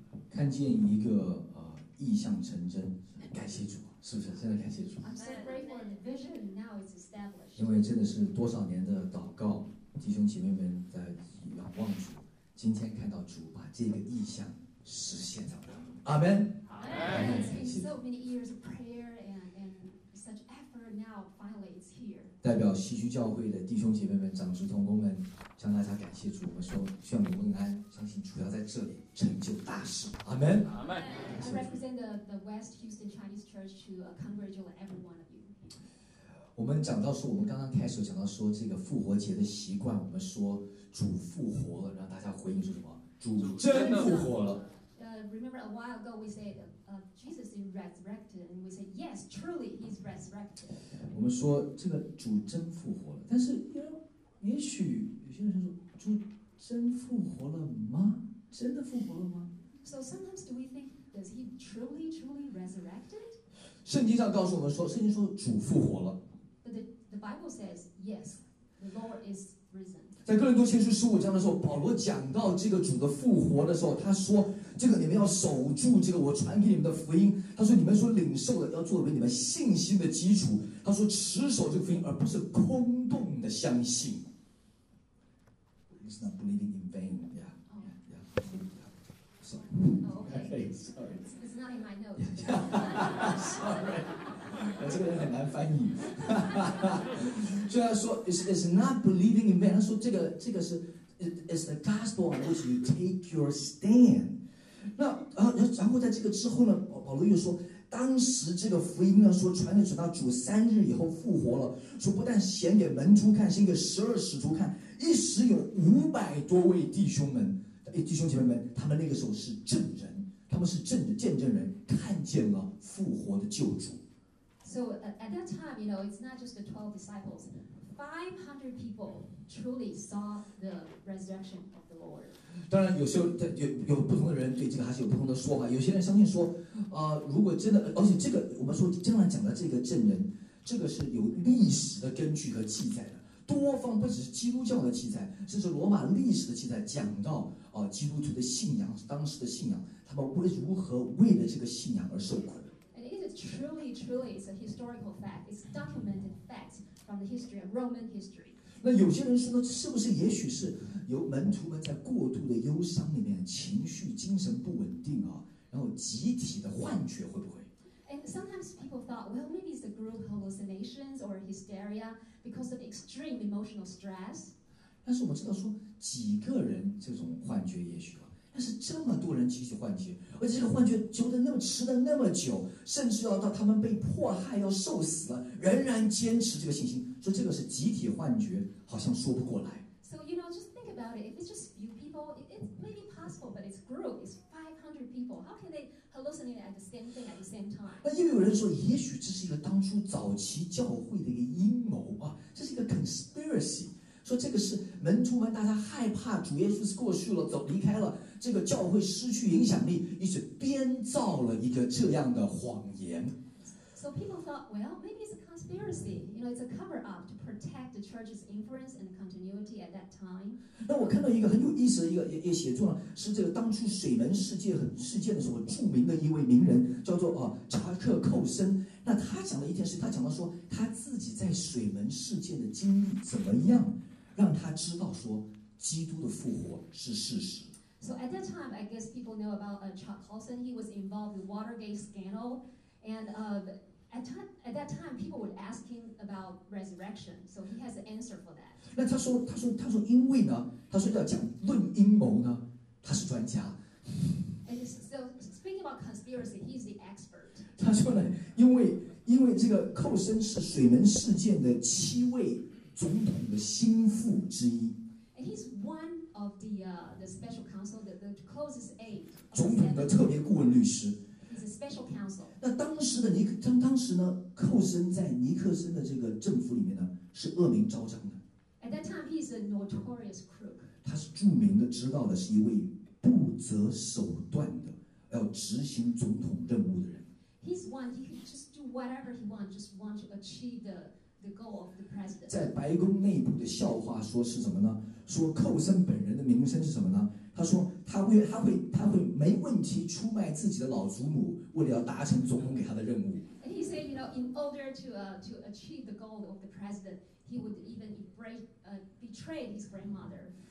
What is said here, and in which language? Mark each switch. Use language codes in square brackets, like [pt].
[zh] 看见一个意象成真，感谢主，是不是？真的感谢主。 [en] I'm so grateful and the vision now is established. [zh] 因为真的是多少年的祷告，弟兄姐妹们在仰望主，今天看到主把这个意象实现在我们当中。阿门。阿门。 [en] It's been so many years of prayer and such effort. Now finally, it's here. [zh] 代表西区教会的弟兄姐妹们、长职同工们。向大家感谢主，我们说愿你蒙恩，相信主要在这里成就大事。阿门。阿门。 [en] I represent the West Houston Chinese Church to congratulate every one of you. [zh] 我们讲到说，我们刚刚开始讲到说这个复活节的习惯，我们说主复活了，让大家回应是什么？主真复活了。 [en] Remember a while ago we said Jesus is resurrected, and we said yes, truly he's resurrected. [zh] 我们说这个主真复活了，但是也许有些人说主真复活了吗？真的复活了吗？ [en] So sometimes do we think, does he truly, truly resurrected? [zh] 圣经上告诉我们说，圣经说主复活了。 [en] But the Bible says, yes, the Lord is risen. [zh] 在哥林多前书十五章的时候，保罗讲到这个主的复活的时候，他说这个你们要守住这个我传给你们的福音。他说你们所领受的要作为你们信心的基础。他说持守这个福音，而不是空洞的相信。 [en] It's not believing in vain. Yeah. Yeah. Sorry. Oh, okay. Sorry. It's not in my notes. Yeah. Sorry. [zh] 这个人很难翻译。虽然说 [en] it's not believing in vain. [zh] 他说这个是 [en] it's the gospel on which you take your stand. [zh] 然后在这个之后呢，保罗又说，当时这个福音呢，说传到主三日以后复活了，说不但显给门徒看，显给十二使徒看，一时有500多位弟兄们，弟兄姐妹们，他们那个时候是证人，他们是证人见证人，看见了复活的救主。 [en] So at that time, you know, it's not just the 12 disciples. 500 people truly saw the resurrection of the Lord. [zh] 当然，有时候有不同的人对这个还是有不同的说法。有些人相信说，如果真的，而且这个我们说经常讲的这个证人，这个是有历史的根据和记载的。多方不只是基督教的记载，甚至罗马历史的记载，讲到基督徒的信仰，当时的信仰，他们为如何为了这个信仰而受苦。 [en] Truly, truly, it's a historical fact. It's documented fact from the history of Roman history. [zh] 那有些人说呢，是不是也许是由门徒们在过度的忧伤里面，情绪、精神不稳定啊，然后集体的幻觉，会不会 [en] ？And sometimes people thought, well, maybe it's the group hallucinations or hysteria because of extreme emotional stress. [zh] 但是我们知道说，几个人这种幻觉也许。但是这么多人集体幻觉，而且这个幻觉揪得那么迟了那么久，甚至要到他们被迫害要受死了，仍然坚持这个信心，说这个是集体幻觉，好像说不过来。 [en] So you know, just think about it. If it's just few people, it's maybe possible, but it's group. It's 500 people. How can they hallucinate at the same thing at the same time? [zh] 那又有人说，也许这是一个当初早期教会的一个阴谋啊，这是一个 conspiracy。说这个是门徒们，大家害怕主耶稣过去了，走离开了，这个教会失去影响力，于是编造了一个这样的谎言。 [en] So people thought, well, maybe it's a conspiracy. You know, it's a cover up to protect the church's influence and continuity at that time. [zh] 那我看到一个很有意思的一个也写作了，是这个当初水门事件的时候，著名的一位名人叫做查克寇森。那他讲了一件事，他讲到说他自己在水门事件的经历怎么样。让他知道说基督的复活是事实。 [en] So at that time, I guess people know about Chuck Colson. He was involved in Watergate scandal. And at that time, people would ask him about resurrection. So he has an answer for that. [zh] 那他说因为呢，他说要讲论阴谋呢，他是专家。 [en] And so speaking about conspiracy, he's the expert. [zh] 他说呢，因为这个寇森是水门事件的7位。总统的心腹之一。 [en] And he's one of the special counsel, the closest aide. [zh] 总统的特别顾问律师。 [en] He's a special counsel. [zh] 那当时呢，寇森在尼克森的这个政府里面呢，是恶名昭彰的。 [en] At that time, he's a notorious crook. [zh] 他是著名的，知道的是一位不择手段的要执行总统任务的人。 [en] He's one. He can just do whatever he wants, just want to achieve the. The goal of the president. [zh] 在白宫内部的笑话说是什么呢？说寇森本人的名声是什么呢？他说他会没问题出卖自己的老祖母，为了要达成总统给他的任务。 [en] And he said, you know, in order to achieve the goal of the president, he would even betray his grandmother.